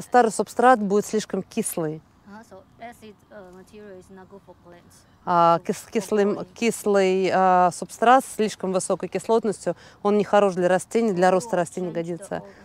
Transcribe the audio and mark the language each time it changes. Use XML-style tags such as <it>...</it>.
<ru>Старый субстрат будет слишком кислый.</ru> <en>So acid material is not good for plants.</en> <ru>Кислый субстрат с слишком высокой кислотностью, он не хорош для растений, для роста растений годится.</ru>